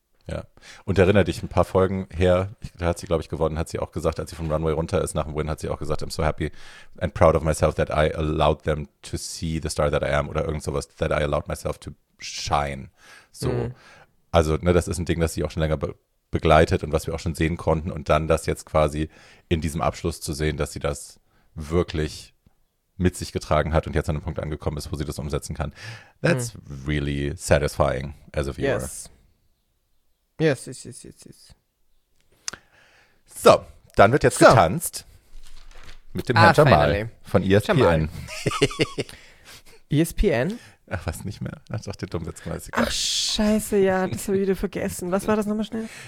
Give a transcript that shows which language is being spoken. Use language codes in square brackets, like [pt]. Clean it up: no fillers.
[de] Ja, und erinnere dich, ein paar Folgen her, da hat sie, glaube ich, gewonnen, hat sie auch gesagt, als sie vom Runway runter ist nach dem Win, hat sie auch gesagt, [en] I'm so happy and proud of myself that I allowed them to see the star that I am [de] oder irgend sowas, [en] that I allowed myself to shine. [de] So. Mhm. Also ne, das ist ein Ding, das sie auch schon länger begleitet und was wir auch schon sehen konnten und dann das jetzt quasi in diesem Abschluss zu sehen, dass sie das wirklich mit sich getragen hat und jetzt an einem Punkt angekommen ist, wo sie das umsetzen kann. [en] That's really satisfying as a viewer. Yes. Yes, yes, yes, yes, yes. [de] So, dann wird jetzt getanzt mit dem Herrn Jamal finally. Von ESPN. Jamal. ESPN? Ach, was nicht mehr? Ach, doch, der Dummwitz. Ach, scheiße, ja, das habe ich wieder vergessen. Was war das nochmal schnell?